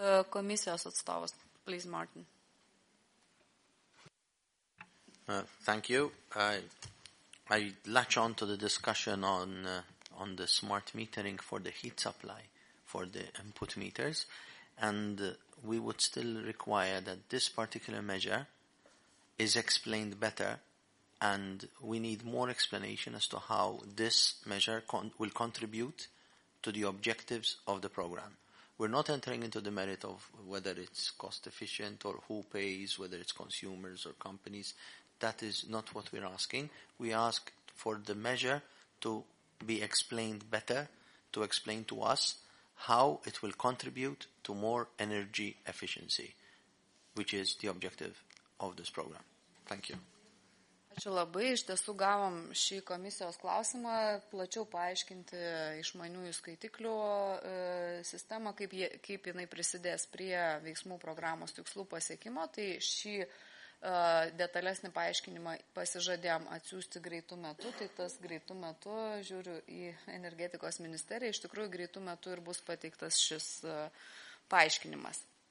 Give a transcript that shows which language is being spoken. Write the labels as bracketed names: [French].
[Lithuanian] Komisijos atstovas, please, Martin. [English] Thank you. I latch on to the discussion on the smart metering for the heat supply for the input meters. And we would still require that this particular measure is explained better, and we need more explanation as to how this measure will contribute to the objectives of the program. We're not entering into the merit of whether it's cost efficient or who pays, whether it's consumers or companies. That is not what we're asking. We ask for the measure to be explained better, to explain to us how it will contribute to more energy efficiency, which is the objective of this program. Thank you. [Lithuanian] Ačiū labai, iš tiesų gavom šį komisijos klausimą plačiau paaiškinti išmaniųjų skaitiklių sistemą, kaip jinai prisidės prie veiksmų programos tikslų pasiekimo. Tai šį detalesnį paaiškinimą pasižadėjom atsiųsti greitų metu, tai tas greitų metu, žiūriu į energetikos ministeriją, iš tikrųjų greitų metu ir bus pateiktas šis paaiškinimas.